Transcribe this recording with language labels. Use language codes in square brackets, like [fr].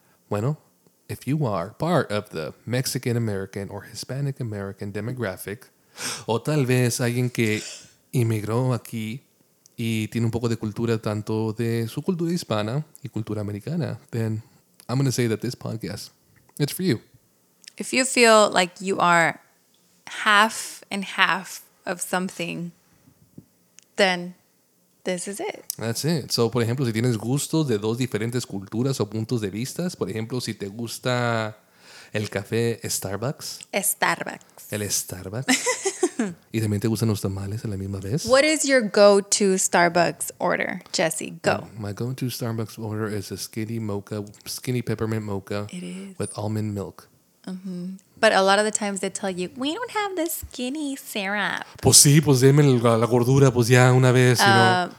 [en] Bueno, if you are part of the Mexican-American or Hispanic-American demographic, [es] o tal vez alguien que inmigró aquí y tiene un poco de cultura tanto de su cultura hispana y cultura americana, [en] then I'm going to say that this podcast, it's for you. If you feel like you are half and half of something, then this is it. That's it. [es] So, por ejemplo, si tienes gustos de dos diferentes culturas o puntos de vistas, por ejemplo, si te gusta el café Starbucks. [en] Starbucks. [es] El Starbucks. Y también te gustan los tamales a la misma vez. [en] What is your go-to Starbucks order, Jesse? Go. My go-to Starbucks order is a skinny mocha, skinny peppermint mocha. It is. With almond milk. Mm-hmm. But a lot of the times they tell you, we don't have the skinny syrup. [es] Pues sí, pues deme la gordura, pues ya una vez, [en] you know.